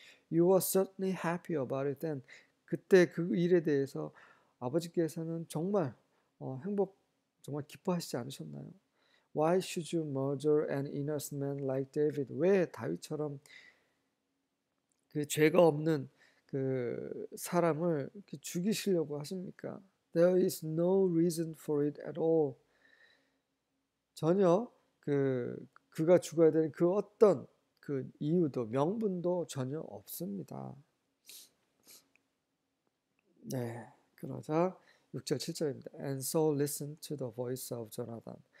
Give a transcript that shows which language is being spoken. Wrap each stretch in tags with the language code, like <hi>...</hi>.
<en>You were certainly happy about it then.</en> <ko>그때 그 일에 대해서 아버지께서는 정말 기뻐하시지 않으셨나요?</ko> <en>Why should you murder an innocent man like David?</en> <ko>왜 다윗처럼 그 죄가 없는 그 사람을 죽이시려고 하십니까?</ko> <en>There is no reason for it at all.</en> <ko>전혀 그가 죽어야 되는 그 어떤 그 이유도 명분도 전혀 없습니다. 네, 그러자 6절, 7절입니다.</ko> <en>And Saul listened to the voice of Jonathan.</en>